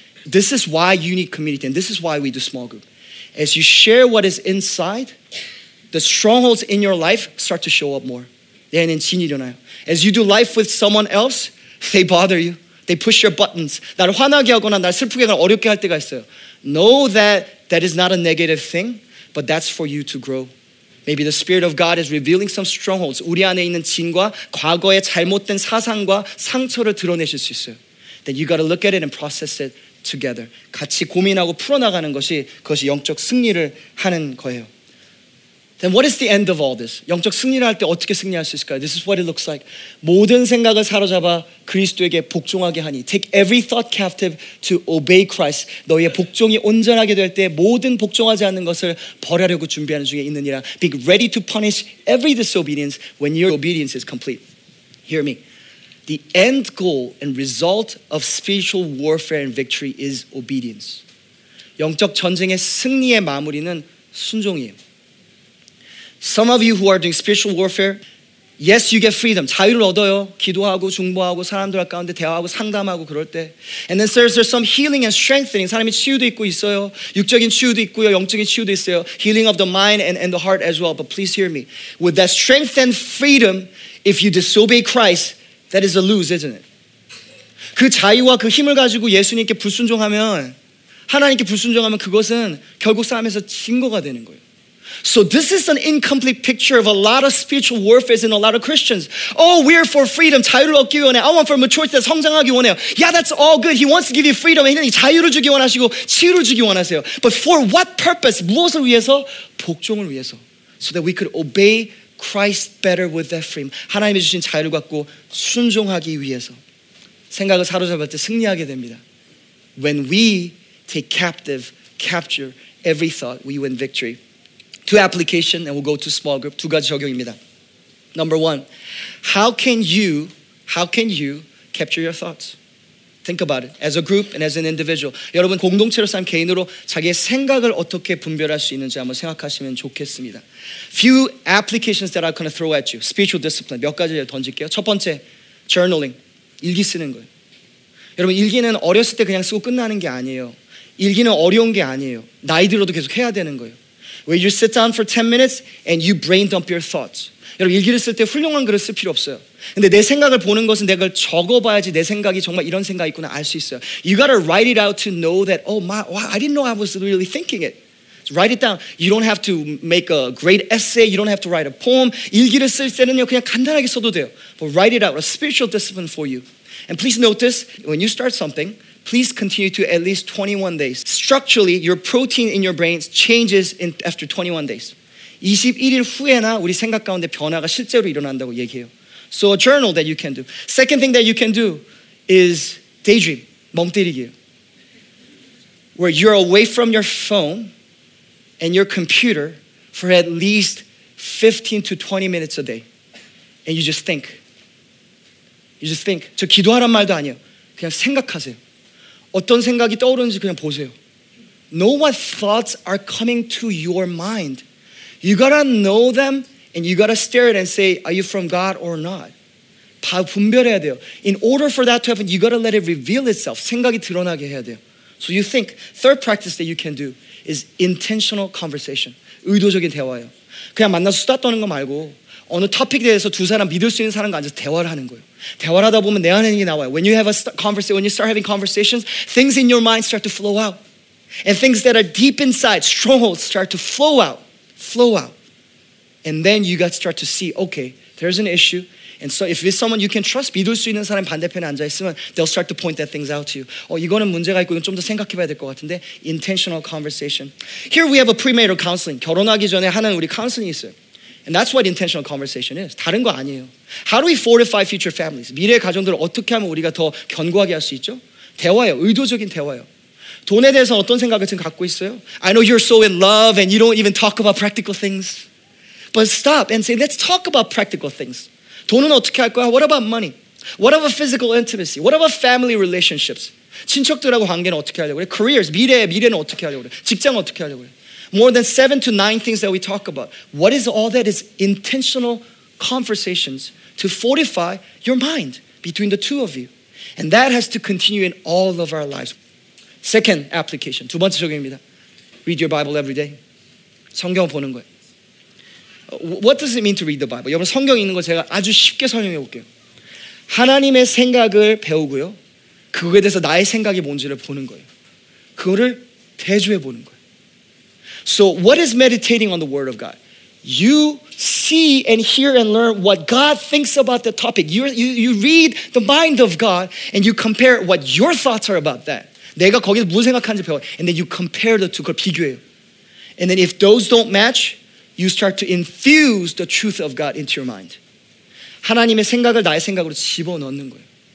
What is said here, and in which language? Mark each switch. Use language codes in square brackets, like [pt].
[en] This is why you need community and this is why we do small group. As you share what is inside, the strongholds in your life start to show up more. [ko] 얘는 진이 일어나요. [en] As you do life with someone else, they bother you. They push your buttons. [ko] 나를 화나게 하거나 나를 슬프게 하거나 어렵게 할 때가 있어요. [en] Know that that is not a negative thing, but that's for you to grow. Maybe the Spirit of God is revealing some strongholds. [ko] 우리 안에 있는 진과 과거의 잘못된 사상과 상처를 드러내실 수 있어요. [en] Then you got to look at it and process it together. [ko] 같이 고민하고 풀어나가는 것이 그것이 영적 승리를 하는 거예요. [en] Then what is the end of all this? [ko] 영적 승리를 할 때 어떻게 승리할 수 있을까요? [en] This is what it looks like. [ko] 모든 생각을 사로잡아 그리스도에게 복종하게 하니. [en] Take every thought captive to obey Christ. [ko] 너희의 복종이 온전하게 될 때 모든 복종하지 않는 것을 버려려고 준비하는 중에 있느니라. [en] Be ready to punish every disobedience when your obedience is complete. Hear me. The end goal and result of spiritual warfare and victory is obedience. [ko] 영적 전쟁의 승리의 마무리는 순종이에요. [en] Some of you who are doing spiritual warfare, yes, you get freedom. [ko] 자유를 얻어요. 기도하고, 중보하고, 사람들 가운데 대화하고, 상담하고 그럴 때. [en] And then there's some healing and strengthening. [ko] 사람이 치유도 있고 있어요. 육적인 치유도 있고요. 영적인 치유도 있어요. [en] Healing of the mind and the heart as well. But please hear me. With that strength and freedom, if you disobey Christ, that is a lose, isn't it? [ko] 그 자유와 그 힘을 가지고 예수님께 불순종하면, 하나님께 불순종하면 그것은 결국 싸움에서 진 거가 되는 거예요. [en] So this is an incomplete picture of a lot of spiritual warfare in a lot of Christians. Oh, we're for freedom. [ko] 자유를 얻기 원해. [en] I want for maturity. [ko] 성장하기 원해요. [en] Yeah, that's all good. He wants to give you freedom. [ko] 자유를 주기 원하시고 치유를 주기 원하세요. [en] But for what purpose? [ko] 무엇을 위해서? 복종을 위해서. [en] So that we could obey Christ better with that freedom. [ko] 하나님이 주신 자유를 갖고 순종하기 위해서. 생각을 사로잡을 때 승리하게 됩니다. [en] When we take captive, capture every thought, we win victory. Two application and we'll go to small group. [ko] 두 가지 적용입니다. [en] Number one, how can you capture your thoughts? Think about it. As a group and as an individual. [ko] 여러분 공동체로 삶 개인으로 자기의 생각을 어떻게 분별할 수 있는지 한번 생각하시면 좋겠습니다. [en] Few applications that I'm going to throw at you. Spiritual discipline. [ko] 몇 가지 던질게요. 첫 번째, journaling. 일기 쓰는 거예요. 여러분 일기는 어렸을 때 그냥 쓰고 끝나는 게 아니에요. 일기는 어려운 게 아니에요. 나이 들어도 계속 해야 되는 거예요. [en] Where you sit down for 10 minutes and you brain dump your thoughts. [ko] 여러분 일기를 쓸 때 훌륭한 글을 쓸 필요 없어요. 근데 내 생각을 보는 것은 내가 적어봐야지 내 생각이 정말 이런 생각이 있구나 알 수 있어요. [en] You gotta write it out to know that, oh my, wow, I didn't know I was really thinking it. So write it down. You don't have to make a great essay. You don't have to write a poem. [ko] 일기를 쓸 때는요 그냥 간단하게 써도 돼요. [en] But write it out, a spiritual discipline for you. And please note this, when you start something, Please continue to at least 21 days. Structurally, your protein in your brain changes in, after 21 days. [ko] 21일 후에나 우리 생각 가운데 변화가 실제로 일어난다고 얘기해요. [en] So a journal that you can do. Second thing that you can do is daydream, [ko] 멍때리기예요. [en] Where you're away from your phone and your computer for at least 15 to 20 minutes a day. And you just think. You just think. [ko] 저 기도하란 말도 아니에요. 그냥 생각하세요. 어떤 생각이 떠오르는지 그냥 보세요. [en] Know what thoughts are coming to your mind. You gotta know them and you gotta stare at it and say, are you from God or not? [ko] 다 분별해야 돼요. [en] In order for that to happen, you gotta let it reveal itself. [ko] 생각이 드러나게 해야 돼요. [en] So you think, third practice that you can do is intentional conversation. [ko] 의도적인 대화예요. 그냥 만나서 수다 떠는 거 말고 어느 topic에 대해서 두 사람 믿을 수 있는 사람과 앉아서 대화를 하는 거예요. 대화를 하다 보면 내 안에 있는 게 나와요. [en] When you have a conversation, when you start having conversations, things in your mind start to flow out. And things that are deep inside, strongholds, start to flow out. Flow out. And then you got to start to see, okay, there's an issue. And so if it's someone you can trust, [ko] 믿을 수 있는 사람 반대편에 앉아있으면 [en] they'll start to point that things out to you. [ko] 어, 이거는 문제가 있고 이건 좀 더 생각해 봐야 될 것 같은데. [en] Intentional conversation. Here we have a premarital counseling. [ko] 결혼하기 전에 하는 우리 counseling이 있어요. [en] And that's what intentional conversation is. [ko] 다른 거 아니에요. [en] How do we fortify future families? [ko] 미래의 가정들을 어떻게 하면 우리가 더 견고하게 할 수 있죠? 대화예요. 의도적인 대화예요. 돈에 대해서 어떤 생각을 지금 갖고 있어요? [en] I know you're so in love and you don't even talk about practical things. But stop and say, let's talk about practical things. [ko] 돈은 어떻게 할 거야? [en] What about money? What about physical intimacy? What about family relationships? [ko] 친척들하고 관계는 어떻게 하려고 그래? Careers, 미래는 어떻게 하려고 그래? 직장 어떻게 하려고 그래? [en] More than 7 to 9 things that we talk about. What is all that is intentional conversations to fortify your mind between the two of you. And that has to continue in all of our lives. Second application, [ko] 두 번째 적용입니다. [en] Read your Bible every day. [ko] 성경 보는 거예요. [en] What does it mean to read the Bible? [ko] 여러분 성경 읽는 거 제가 아주 쉽게 설명해 볼게요. 하나님의 생각을 배우고요. 그거에 대해서 나의 생각이 뭔지를 보는 거예요. 그거를 대조해 보는 거예요. [en] So what is meditating on the word of God? You see and hear and learn what God thinks about the topic. You read the mind of God and you compare what your thoughts are about that. [ko] 내가 거기서 무슨 생각하는지 배워. [en] And then you compare the two, [ko] 그걸 비교해요. [en] And then if those don't match, you start to infuse the truth of God into your mind. [ko] 하나님의 생각을 나의 생각으로 집어넣는 거예요.